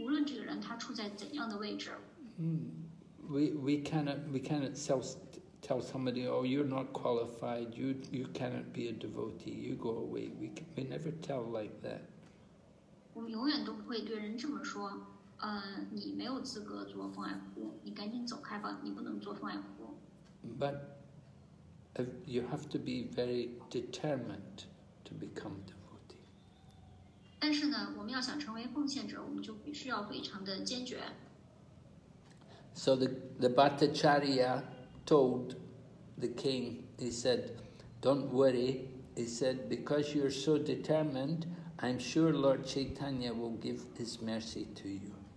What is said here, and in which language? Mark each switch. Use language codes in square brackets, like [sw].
[zh] 奉爱服务是可以被任何人去做的，无论这个人他处在怎样的位置。 [en] We cannot tell somebody, oh, you're not qualified, you cannot be a devotee, you go away. We never tell like that. But you have to be very determined to become devotee. [zh] 但是呢，我们要想成为奉献者，我们就必须要非常的坚决。 [en] So the Bhattacharya told the king, he said, don't worry, he said, because you're so determined, I'm sure Lord Chaitanya will give his mercy to you.